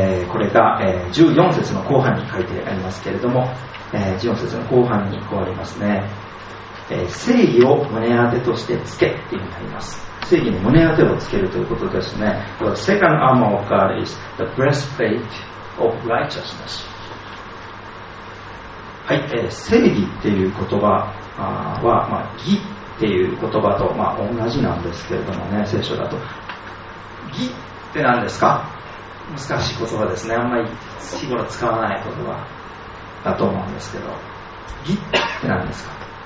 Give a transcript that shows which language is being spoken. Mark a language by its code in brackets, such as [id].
[ja] これが14節の後半に書いてありますけれども、14節の後半にこうありますね。正義を胸当てとしてつけっていうのになります。正義の胸当てをつけるということですね。 [en] The second armor of God is the breastplate of righteousness. [ja] はい、正義っていう言葉は、まあ、義っていう言葉と、まあ、同じなんですけれどもね、聖書だと。義って何ですか。難しい言葉ですね。あんまり日頃使わない言葉だと思うんですけど、義って何ですか。